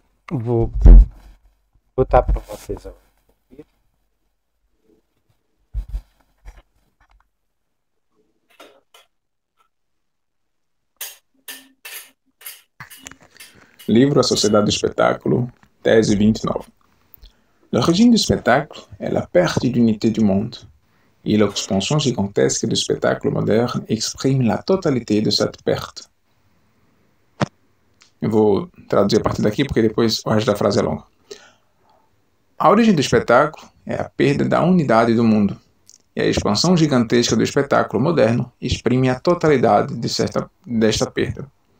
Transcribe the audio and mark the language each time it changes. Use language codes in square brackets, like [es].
[pt] Vou botar para vocês agora. Livro A Sociedade do Espetáculo, tese 29. [fr] L'origine du spectacle est la perte d'unité du monde, et l'expansion gigantesque du spectacle moderne exprime la totalité de cette perte. [pt] Eu vou traduzir a partir daqui, porque depois o resto da frase é longa. A origem do espetáculo é a perda da unidade do mundo, e a expansão gigantesca do espetáculo moderno exprime a totalidade desta perda.